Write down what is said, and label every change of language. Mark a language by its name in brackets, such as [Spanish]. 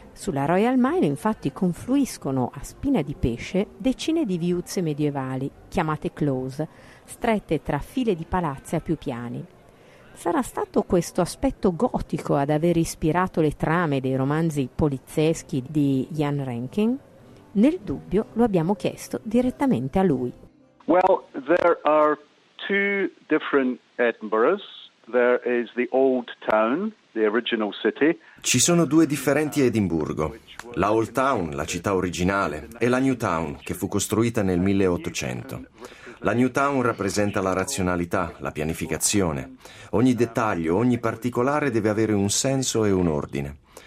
[Italian] Sulla Royal Mile, infatti, confluiscono a spina di pesce decine di viuzze medievali, chiamate Close, strette tra file di palazzi a più piani. Sarà stato questo aspetto gotico ad aver ispirato le trame dei romanzi polizieschi di Ian Rankin? Nel dubbio lo abbiamo chiesto direttamente a lui. [English] Well, there are two different Edinburghs. There is the Old Town, the original city. [Italian] Ci sono due differenti Edimburgo, la Old Town, la città originale, e la New Town, che fu costruita nel 1800. La New Town rappresenta la razionalità, la pianificazione. Ogni dettaglio, ogni particolare deve avere un senso e un ordine.